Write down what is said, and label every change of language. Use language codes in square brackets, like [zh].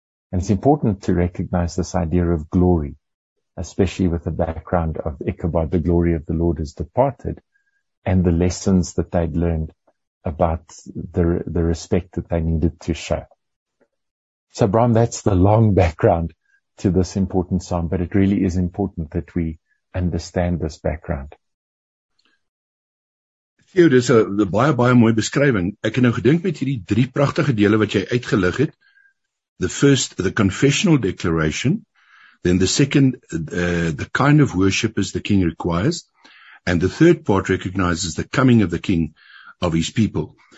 [en] And it's important to recognize this idea of glory, especially with the background of Ichabod, the glory of the Lord has departed, and the lessons that they'd learned about the respect that they needed to show. So, Bram, that's the long background to this important psalm, but it really is important that we understand this background. [af] Theo, dis 'n baie, baie mooi beskrywing. Ek het nou gedink met hierdie drie pragtige dele wat jy uitgelig het. [en] The first, the confessional declaration. Then the second, the kind of worship as the king requires. And the third part recognizes the coming of the king of his people.